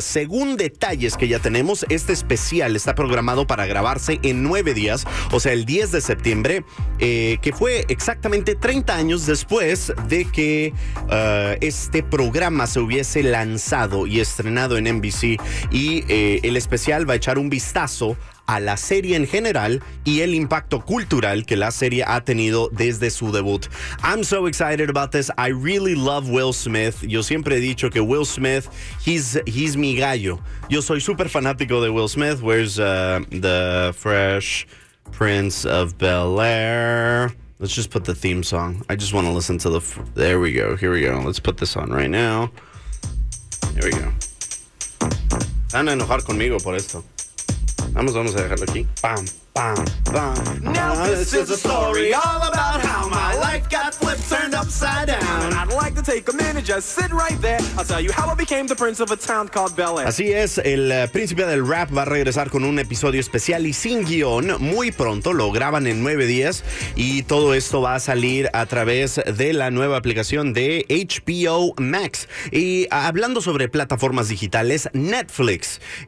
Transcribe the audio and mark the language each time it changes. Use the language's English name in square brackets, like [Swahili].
[Spanish] Según detalles que ya tenemos, este especial está programado para grabarse en 9 días, o sea, el 10 de septiembre, que fue exactamente 30 años después de que este programa se hubiese lanzado y estrenado en NBC. Y el especial va a echar un vistazo a la serie en general y el impacto cultural que la serie ha tenido desde su debut. [English] I'm so excited about this. I really love Will Smith. [Spanish] Yo siempre he dicho que Will Smith, he's mi gallo. Yo soy super fanático de Will Smith. [English] Where's the Fresh Prince of Bel-Air? Let's just put the theme song. I just want to listen to the... There we go. Here we go. Let's put this on right now. Here we go. [Spanish] Van a enojar conmigo por esto. Vamos a dejarlo aquí. Pam, pam, pam. [English] Now this is a story all about how my life got flipped, turned upside down. And I'd like to take a minute, just sit right there. I'll tell you how I became the prince of a town called Bel-Air. [Spanish] Así es, el príncipe del rap va a regresar con un episodio especial y sin guión. Muy pronto, lo graban en 9 días. Y todo esto va a salir a través de la nueva aplicación de HBO Max. Y hablando sobre plataformas digitales, Netflix.